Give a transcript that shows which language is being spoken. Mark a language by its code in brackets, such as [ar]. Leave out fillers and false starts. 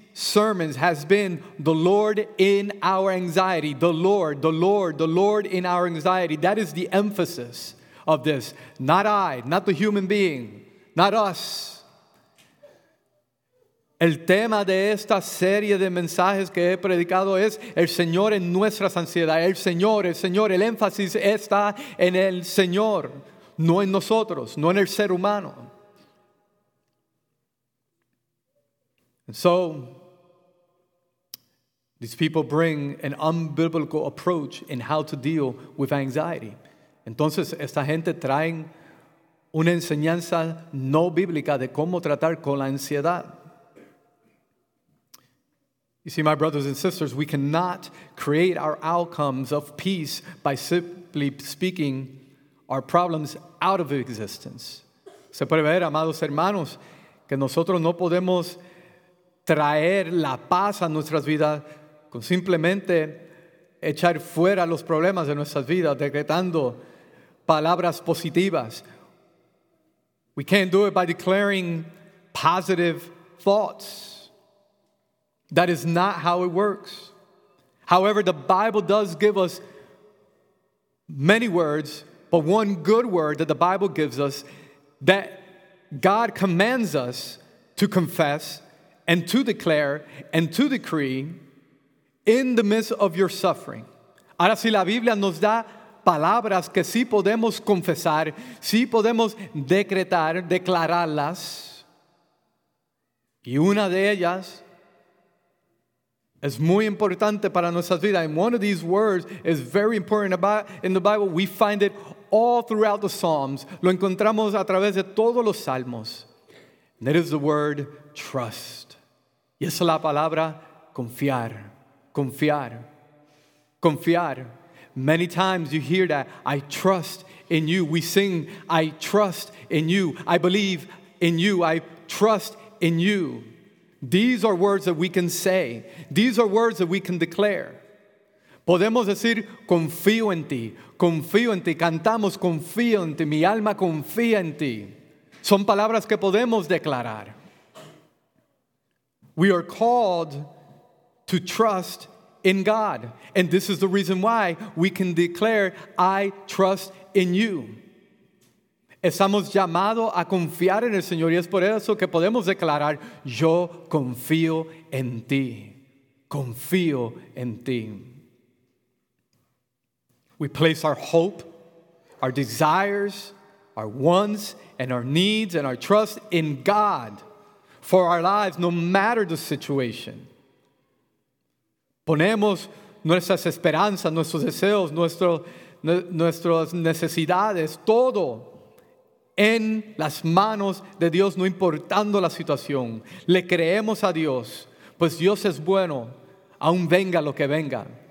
[en] sermons has been the Lord in our anxiety. The Lord in our anxiety. That is the emphasis of this. Not I, not the human being, not us. [es] El tema de esta serie de mensajes que he predicado es el Señor en nuestras ansiedades. El Señor. El énfasis está en el Señor, no en nosotros, no en el ser humano. [en] And so, these people bring an unbiblical approach in how to deal with anxiety. [es] Entonces, esta gente traen una enseñanza no bíblica de cómo tratar con la ansiedad. [en] You see, my brothers and sisters, we cannot create our outcomes of peace by simply speaking our problems out of existence. [es] Se puede ver, amados hermanos, que nosotros no podemos traer la paz a nuestras vidas con simplemente echar fuera los problemas de nuestras vidas, decretando palabras positivas. [en] We can't do it by declaring positive thoughts. That is not how it works. However, the Bible does give us many words, but one good word that the Bible gives us that God commands us to confess and to declare and to decree in the midst of your suffering. [es] Ahora, si la Biblia nos da palabras que sí podemos confesar, sí podemos decretar, declararlas, y una de ellas es muy importante para nuestras vidas. [en] And one of these words is very important about in the Bible. We find it all throughout the Psalms. [es] Lo encontramos a través de todos los Salmos. [en] And it is the word trust. [es] Y es la palabra confiar. Confiar. Confiar. [en] Many times you hear that. I trust in you. We sing, I trust in you. I believe in you. I trust in you. These are words that we can say. These are words that we can declare. [es] Podemos decir, confío en ti. Confío en ti. Cantamos, confío en ti. Mi alma confía en ti. Son palabras que podemos declarar. [en] We are called to trust in God. And this is the reason why we can declare, I trust in you. [es] Estamos llamados a confiar en el Señor y es por eso que podemos declarar, yo confío en ti, confío en ti. [en] We place our hope, our desires, our wants, and our needs, and our trust in God for our lives, no matter the situation. [es] Ponemos nuestras esperanzas, nuestros deseos, nuestras necesidades, todo en las manos de Dios, no importando la situación. Le creemos a Dios, pues Dios es bueno, aun venga lo que venga.